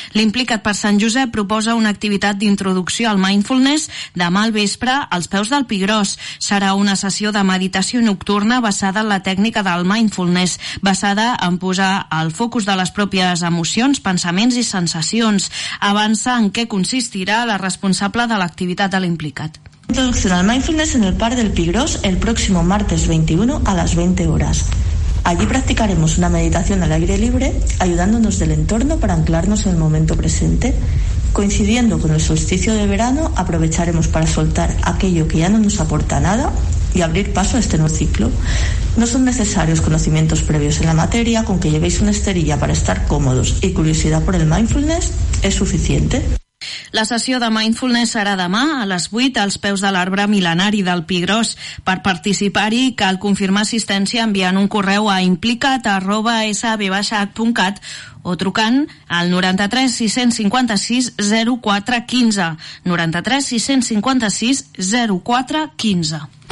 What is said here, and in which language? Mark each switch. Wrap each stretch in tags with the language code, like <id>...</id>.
<ca>L'Implica't per Sant Josep proposa una activitat d'introducció al mindfulness demà al vespre als peus del Pi Gros. Serà una sessió de meditació nocturna basada en la tècnica del mindfulness, basada en posar el focus de les pròpies emocions, pensaments i sensacions. Avança en què consistirà la responsable de l'activitat de l'Implica't.</ca> <es>Introducción al Mindfulness en el Parc del Pi Gros el próximo martes 21 a las 20 horas. Allí practicaremos una meditación al aire libre, ayudándonos del entorno para anclarnos en el momento presente. Coincidiendo con el solsticio de verano, aprovecharemos para soltar aquello que ya no nos aporta nada y abrir paso a este nuevo ciclo. No son necesarios conocimientos previos en la materia, con que llevéis una esterilla para estar cómodos y curiosidad por el Mindfulness es suficiente.</es> <ca>La sessió de Mindfulness serà demà a les 8 als peus de l'arbre mil·lenari del Pi Gros. Per participar-hi cal confirmar assistència enviant un correu a implica't@sb-h.cat o trucant al 93 656 0415, 93 656 0415.</ca>